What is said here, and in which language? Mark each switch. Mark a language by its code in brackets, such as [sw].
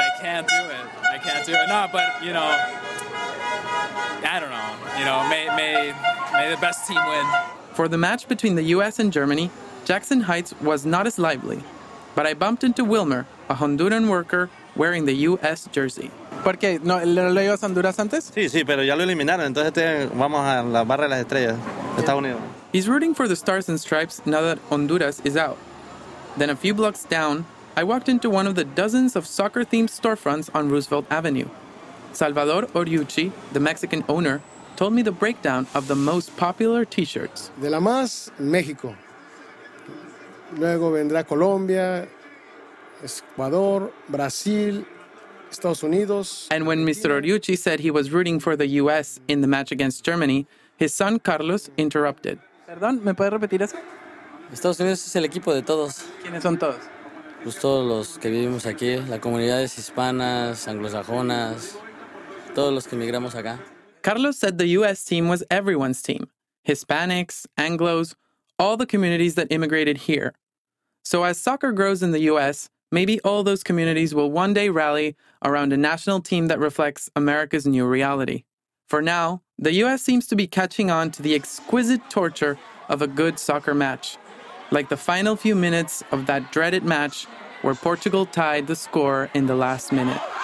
[en] I can't do it. No, but, you know, I don't know. You know, may the best team win. For the match between the U.S. and Germany, Jackson Heights was not as lively. But I bumped into Wilmer, a Honduran worker wearing the U.S. jersey. [es] ¿Por qué? ¿No le ibas a Honduras antes? Sí, pero ya lo eliminaron. Entonces vamos a la barra de las estrellas, Estados Unidos. [en] He's rooting for the Stars and Stripes now that Honduras is out. Then a few blocks down, I walked into one of the dozens of soccer-themed storefronts on Roosevelt Avenue. Salvador Oriucci, the Mexican owner, told me the breakdown of the most popular T-shirts. [es] De la más, México. Luego vendrá Colombia, Ecuador, Brazil, Estados Unidos. [en] And when Mr. Oriucci said he was rooting for the U.S. in the match against Germany, his son Carlos interrupted. [es] Perdón, ¿me puede repetir eso? Estados Unidos es el equipo de todos. ¿Quiénes son todos? Pues todos los que vivimos aquí, las comunidades hispanas, anglosajonas, todos los que emigramos acá. [en] Carlos said the U.S. team was everyone's team. Hispanics, Anglos, all the communities that immigrated here. So as soccer grows in the U.S., maybe all those communities will one day rally around a national team that reflects America's new reality. For now, the U.S. seems to be catching on to the exquisite torture of a good soccer match, like the final few minutes of that dreaded match where Portugal tied the score in the last minute.